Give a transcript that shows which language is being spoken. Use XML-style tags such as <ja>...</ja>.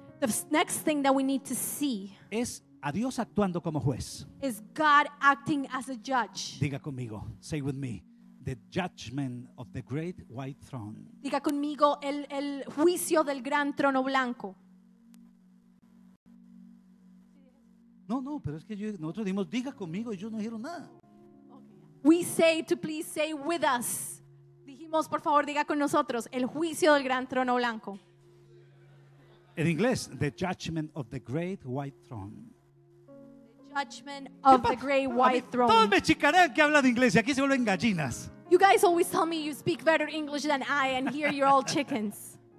<en>The next thing that we need to see.</en> <es>Es a Dios actuando como juez.</es> <en>Is God acting as a judge?</en> <es>Diga conmigo,</es> <en>say with me, the judgment of the great white throne.</en> <es>Diga conmigo, el juicio del gran trono blanco. No, pero es que nosotros dijimos, diga conmigo, y yo no dijeron nada.</es> <en>We say to please say with us.</en> <es>Dijimos, por favor, diga con nosotros, el juicio del gran trono blanco. En inglés,</es> <en>the judgment of the great white throne. Judgment of the great white throne.</en> <es>Todos me chicanean que hablan inglés y aquí se vuelven gallinas.</es> <en>You guys always tell me you speak better English than I and here you're all chickens.</en>